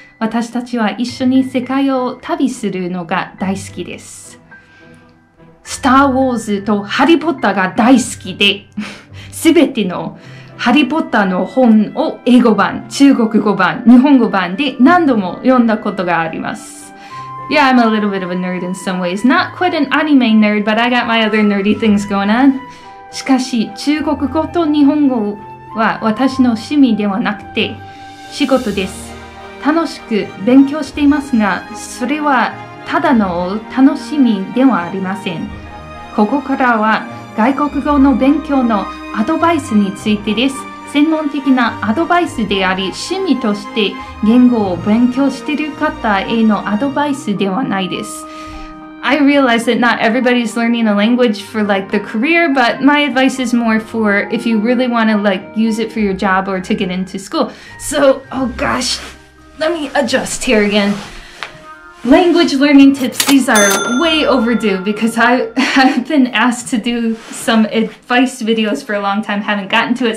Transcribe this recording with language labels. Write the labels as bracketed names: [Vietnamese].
[Japanese] 私たちは一緒に世界を旅するのが大好きです。スターウォーズとハリーポッターが大好きで、すべてのハリーポッターの本を英語版、中国語版、日本語版で何度も読んだことがあります。 [English] Yeah, I'm a little bit of a nerd in some ways. Not quite an anime nerd, but I got my other nerdy things going on. [Japanese] しかし、中国語と日本語は私の趣味ではなくて仕事です。楽しく勉強していますが、それはただの楽しみではありません。ここからは外国語の勉強のアドバイスについてです。専門的なアドバイスであり、趣味として言語を勉強している方へのアドバイスではないです。 [English] I realize that not everybody's learning a language for like the career, but my advice is more for if you really want to like use it for your job or to get into school. So, oh gosh, let me adjust here again. Language learning tips, these are way overdue because I've been asked to do some advice videos for a long time, haven't gotten to it.